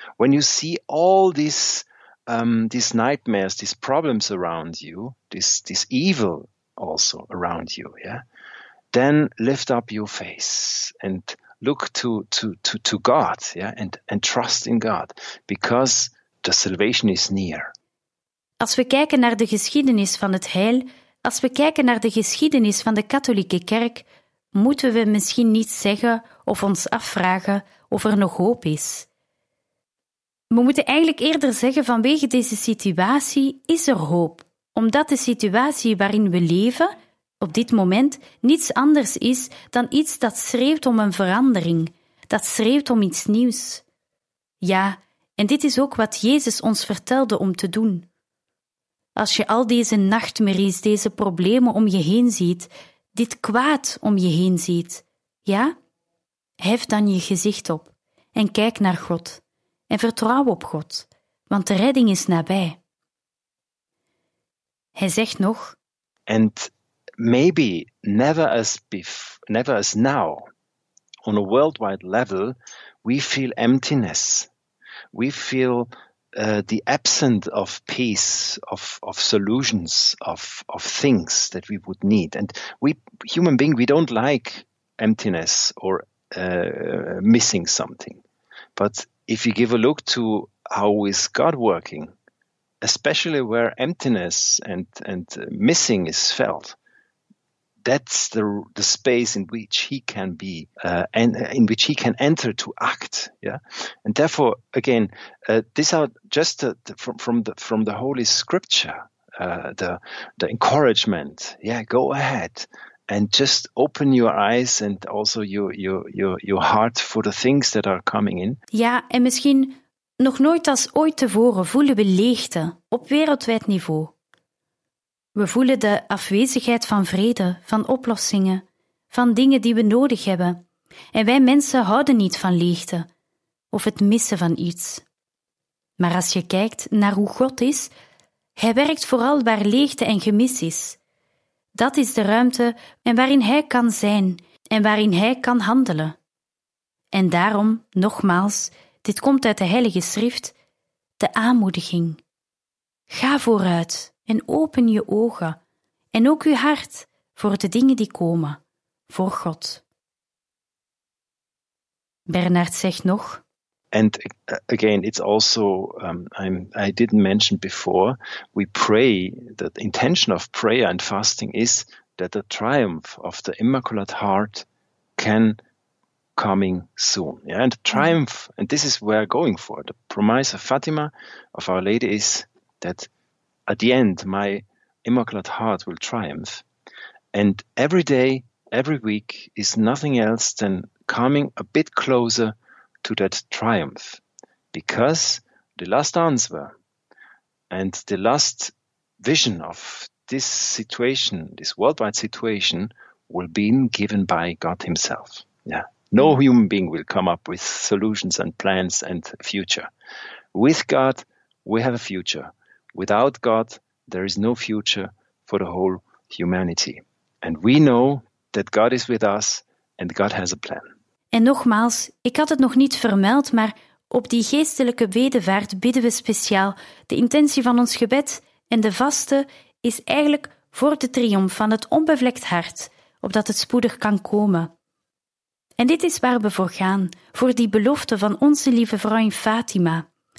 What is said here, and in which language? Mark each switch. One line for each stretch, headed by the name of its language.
English: When you see all these nightmares, these problems around you, this evil also around you, yeah. Then lift up your face and look to God, yeah, and trust in God, because the salvation is near.
Dutch: Als we kijken naar de geschiedenis van het heil, als we kijken naar de geschiedenis van de katholieke kerk, moeten we misschien niet zeggen of ons afvragen of er nog hoop is. We moeten eigenlijk eerder zeggen vanwege deze situatie is er hoop, omdat de situatie waarin we leven op dit moment niets anders is dan iets dat schreeuwt om een verandering, dat schreeuwt om iets nieuws. Ja, en dit is ook wat Jezus ons vertelde om te doen. Als je al deze nachtmerries, deze problemen om je heen ziet, dit kwaad om je heen ziet, ja, hef dan je gezicht op en kijk naar God en vertrouw op God, want de redding is nabij. Hij zegt nog:
English: Maybe never as now, on a worldwide level, we feel emptiness. We feel the absence of peace, of solutions, of things that we would need. And we human beings, we don't like emptiness or missing something. But if you give a look to how is God working, especially where emptiness and missing is felt, that's the space in which he can be and in which he can enter to act. Yeah, and therefore, again, these are just from the Holy Scripture, the encouragement. Yeah, go ahead and just open your eyes and also your heart for the things that are coming in.
Dutch: Ja, en misschien nog nooit als ooit tevoren voelen we leegte op wereldwijd niveau. We voelen de afwezigheid van vrede, van oplossingen, van dingen die we nodig hebben. En wij mensen houden niet van leegte of het missen van iets. Maar als je kijkt naar hoe God is, hij werkt vooral waar leegte en gemis is. Dat is de ruimte en waarin hij kan zijn en waarin hij kan handelen. En daarom, nogmaals, dit komt uit de Heilige Schrift, de aanmoediging. Ga vooruit en open je ogen en ook je hart voor de dingen die komen, voor God. Bernard zegt nog.
English: And again, it's also, I didn't mention before, we pray, the intention of prayer and fasting is that the triumph of the Immaculate Heart can coming soon. Yeah? And the triumph, and this is where we're going for, the promise of Fatima, of Our Lady, is that at the end, my Immaculate Heart will triumph. And every day, every week is nothing else than coming a bit closer to that triumph. Because the last answer and the last vision of this situation, this worldwide situation, will be given by God himself. Yeah. No human being will come up with solutions and plans and future. With God, we have a future. Without God, there is no future for the whole humanity. And we know that God is with us and God has a plan.
Dutch: En nogmaals, ik had het nog niet vermeld, maar op die geestelijke bedevaart bidden we speciaal. De intentie van ons gebed en de vaste is eigenlijk voor de triomf van het onbevlekt hart, opdat het spoedig kan komen. En dit is waar we voor gaan, voor die belofte van onze lieve vrouw in Fatima.